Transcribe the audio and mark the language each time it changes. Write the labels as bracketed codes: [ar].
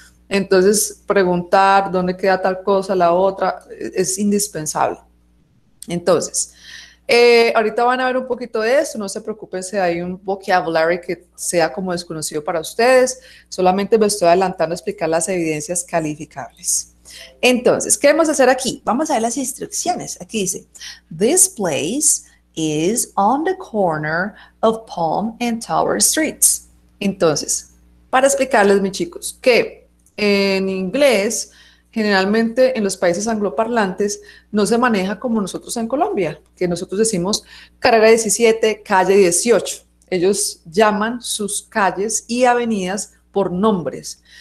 [es] Entonces, preguntar dónde queda tal cosa, la otra, es indispensable. Entonces, ahorita van a ver un poquito de esto, no se preocupen si hay un vocabulary que sea como desconocido para ustedes, solamente me estoy adelantando a explicar las evidencias calificables. Entonces, ¿qué vamos a hacer aquí? Vamos a ver las instrucciones. [en] Aquí dice: This place is on the corner of Palm and Tower Streets. [es] Entonces, para explicarles, mis chicos, que en inglés, generalmente en los países angloparlantes no se maneja como nosotros en Colombia, que nosotros decimos carrera 17, calle 18. Ellos llaman sus calles y avenidas por nombres.